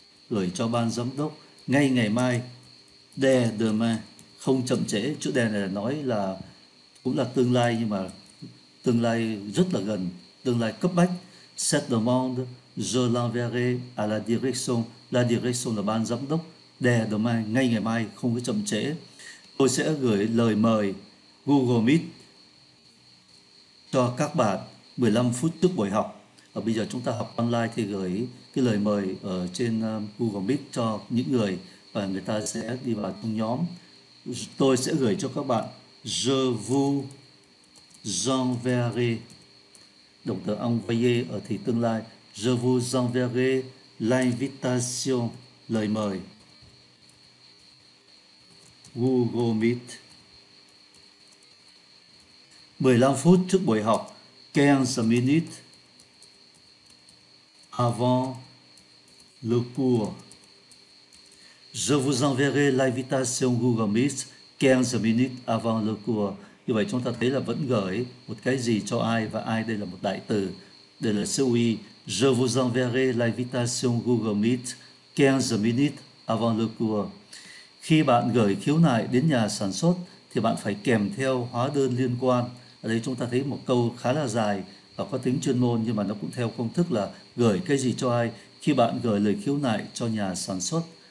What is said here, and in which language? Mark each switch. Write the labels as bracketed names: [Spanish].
[Vietnamese] Gửi cho ban giám đốc ngay ngày mai. [French] Dès demain. [Vietnamese] Không chậm trễ. Chữ đề này nói là cũng là tương lai nhưng mà tương lai rất là gần. Tương lai cấp bách. [French] Cette demande, je l'enverrai à la direction. La direction [Vietnamese] là ban giám đốc. [French] Dès demain, [Vietnamese] ngay ngày mai, không có chậm trễ. Tôi sẽ gửi lời mời Google Meet cho các bạn 15 phút trước buổi học. Và bây giờ chúng ta học online thì gửi cái lời mời ở trên Google Meet cho những người và người ta sẽ đi vào trong nhóm. Tôi sẽ gửi cho các bạn [French] je vous enverrai. [Vietnamese] Động từ envoyer ở thì tương lai. [French] Je vous enverrai l'invitation. [Vietnamese] Lời mời. Google Meet. 15 phút trước buổi học. [French] 15 minutes avant le cours. Je vous enverrai l'invitation Google Meet. 15 minutes avant le cours. [Vietnamese] Như vậy chúng ta thấy là vẫn gửi một cái gì cho ai và ai đây là một đại từ. Đây là COI. [French] Je vous enverrai l'invitation Google Meet 15 minutes avant le cours. [Vietnamese] Khi bạn gửi khiếu nại đến nhà sản xuất thì bạn phải kèm theo hóa đơn liên quan. Ở đây chúng ta thấy một câu khá là dài và có tính chuyên môn nhưng mà nó cũng theo công thức là gửi cái gì cho ai khi bạn gửi lời khiếu nại cho nhà sản xuất.